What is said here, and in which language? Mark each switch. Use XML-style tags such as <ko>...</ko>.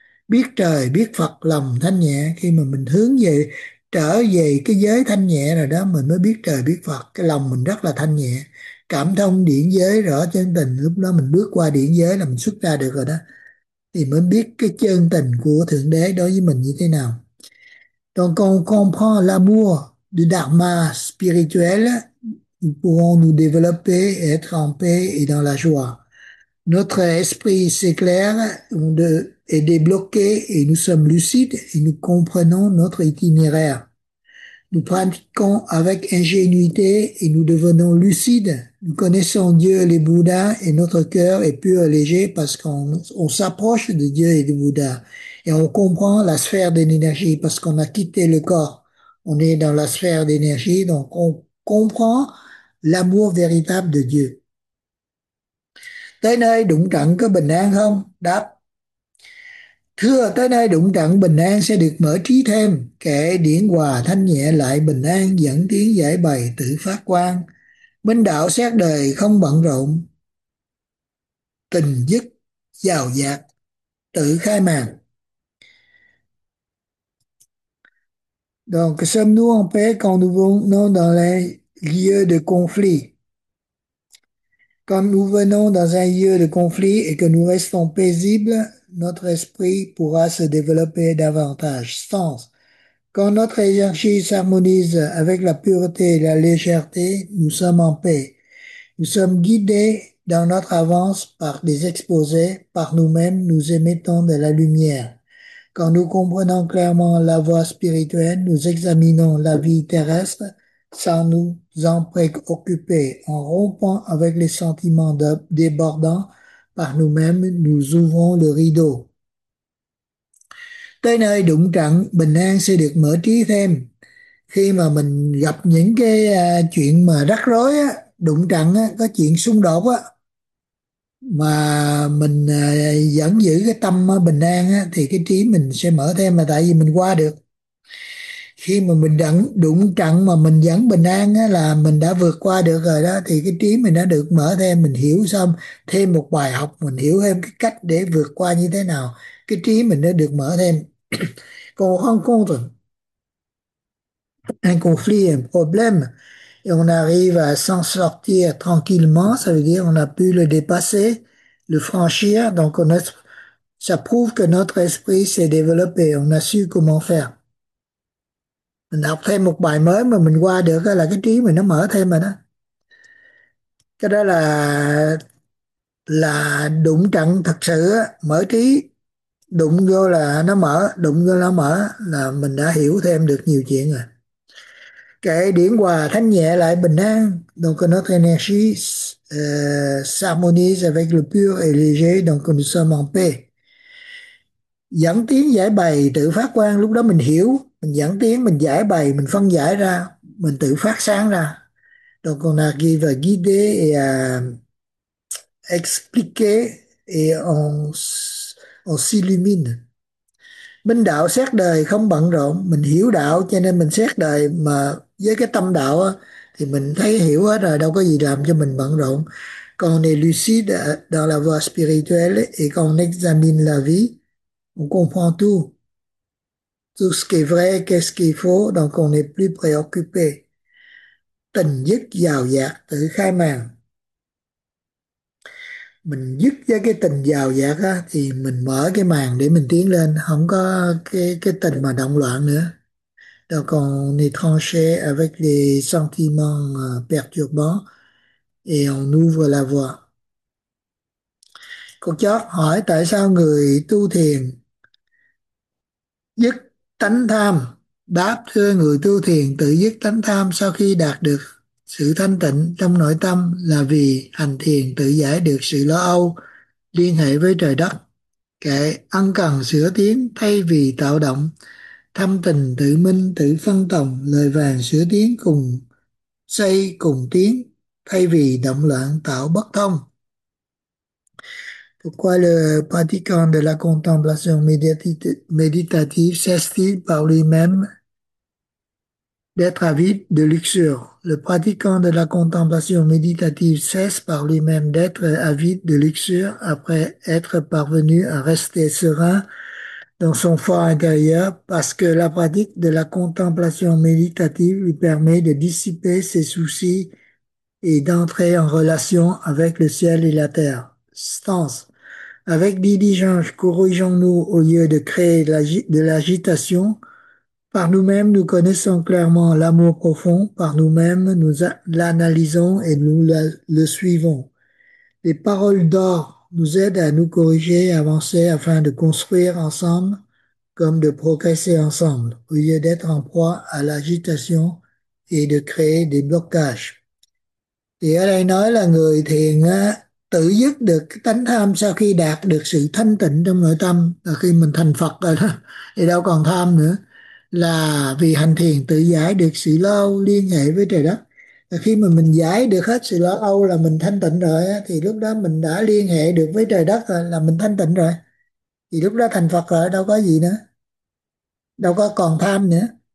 <vi>Biết trời biết Phật, lòng thanh nhẹ, khi mà mình hướng về trở về cái giới thanh nhẹ rồi đó, mình mới biết trời biết Phật, cái lòng mình rất là thanh nhẹ, cảm thông điển giới, rõ chân tình. Lúc đó mình bước qua điển giới là mình xuất ra được rồi đó, thì mới biết cái chân tình của Thượng Đế đối với mình như thế nào.</vi> <fr>Donc quand on comprend l'amour du dharma spirituel, nous pouvons nous développer, être en paix et dans la joie. Notre esprit s'éclaire, est débloqué et nous sommes lucides et nous comprenons notre itinéraire. Nous pratiquons avec ingénuité et nous devenons lucides. Nous connaissons Dieu et les Bouddhas et notre cœur est pur et léger parce qu'on s'approche de Dieu et de Bouddha et on comprend la sphère de l'énergie parce qu'on a quitté le corps. On est dans la sphère d'énergie, donc on comprend l'amour véritable de Dieu.</fr> <vi>Tới nơi đụng trận có bình an không? Đáp, thưa, tới nơi đụng trận bình an sẽ được mở trí thêm. Kệ, điển hòa thanh nhẹ lại bình an, dẫn tiếng giải bày tự phát quang. Minh đạo xét đời không bận rộn, tình dứt giàu dạt tự khai màn.</vi> <fr>Donc, sommes-nous en paix quand nous venons dans les lieux de conflit? Quand nous venons dans un lieu de conflit et que nous restons paisibles, notre esprit pourra se développer davantage. Sens. Quand notre énergie s'harmonise avec la pureté et la légèreté, nous sommes en paix. Nous sommes guidés dans notre avance par des exposés, par nous-mêmes, nous émettons de la lumière. Quand nous comprenons clairement la voie spirituelle, nous examinons la vie terrestre sans nous en préoccuper. En rompant avec les sentiments débordants par nous-mêmes, nous ouvrons le rideau.</fr> <vi>Tới nơi đụng trận, bình an sẽ được mở trí thêm. Khi mà mình gặp những cái chuyện mà rắc rối á, đụng trận á, có chuyện xung đột á, mà mình vẫn giữ cái tâm bình an á, thì cái trí mình sẽ mở thêm, mà tại vì mình qua được. Khi mà mình đụng trận mà mình vẫn bình an á, là mình đã vượt qua được rồi đó, thì cái trí mình đã được mở thêm, mình hiểu xong thêm một bài học, mình hiểu thêm cái cách để vượt qua như thế nào, cái trí mình đã được mở thêm. Còn không có rồi,</vi> <fr>un conflit, un problème, et on arrive à s'en sortir tranquillement, ça veut dire on a pu le dépasser, le franchir, donc ça prouve que notre esprit s'est développé, on a su comment faire.</fr> <vi>Mình học thêm một bài mới mà mình qua được là cái trí mình nó mở thêm rồi đó. Cái đó là đụng trận thật sự, mở trí. đụng vô là nó mở, đụng vô nó mở là mình đã hiểu thêm được nhiều chuyện rồi. Cái điển hòa thanh nhẹ lại bình an,</vi> <fr>donc notre énergie s'harmonise avec le pur et léger, donc nous sommes en paix.</fr> <vi>Dẫn tiếng giải bày tự phát quang, lúc đó mình hiểu, mình dẫn tiếng, mình giải bày, mình phân giải ra, mình tự phát sáng ra.</vi> <fr>Donc on a guidé et expliqué et on s'illumine.</fr> <vi>Minh đạo xét đời không bận rộn, mình hiểu đạo cho nên mình xét đời mà với cái tâm đạo á, thì mình thấy hiểu hết rồi, đâu có gì làm cho mình bận rộn. Còn</vi> <fr>on est lucide dans la voie spirituelle et quand on examine la vie, on comprend tout. Tout ce qui est vrai, qu'est-ce qui est faux, donc on n'est plus préoccupé.</fr> <vi>Tình dứt dào dạt tự khai màn. Mình dứt với cái tình dào dạt á, thì mình mở cái màn để mình tiến lên, không có cái tình mà động loạn nữa.</vi> <fr>Donc on est tranché avec les sentiments perturbants et on ouvre la voie.</fr> <vi>Cô chó hỏi tại sao người tu thiền dứt tánh tham. Đáp thưa người tu thiền tự dứt tánh tham sau khi đạt được sự thanh tịnh trong nội tâm là vì hành thiền tự giải được sự lo âu liên hệ với trời đất. Kệ ân cần sửa tiếng thay vì tạo động, thâm tình tự minh tự phân tòng, lời vàng sửa tiếng cùng xây cùng tiếng thay vì động loạn tạo bất thông.</vi> <fr>Pourquoi le pratiquant de la contemplation méditative cesse-t-il par lui-même d'être avide de luxure? Le pratiquant de la contemplation méditative cesse par lui-même d'être avide de luxure après être parvenu à rester serein dans son fort intérieur parce que la pratique de la contemplation méditative lui permet de dissiper ses soucis et d'entrer en relation avec le ciel et la terre. Stance. Avec diligence, corrigeons-nous au lieu de créer de l'agitation. Par nous-mêmes, nous connaissons clairement l'amour profond. Par nous-mêmes, nous l'analysons et nous le suivons. Les paroles d'or nous aident à nous corriger et avancer afin de construire ensemble comme de progresser ensemble au lieu d'être en proie à l'agitation et de créer des blocages. Et elle</fr> <vi>nói là người thiền tự dứt được cái tánh tham sau khi đạt được sự thanh tịnh trong nội tâm, là khi mình thành Phật rồi đó, thì đâu còn tham nữa, là vì hành thiền tự giải được sự lo âu liên hệ với trời đất. Là khi mà mình giải được hết sự lo âu là mình thanh tịnh rồi, thì lúc đó mình đã liên hệ được với trời đất rồi, là mình thanh tịnh rồi, thì lúc đó thành Phật rồi, đâu có gì nữa, đâu có còn tham nữa.</vi>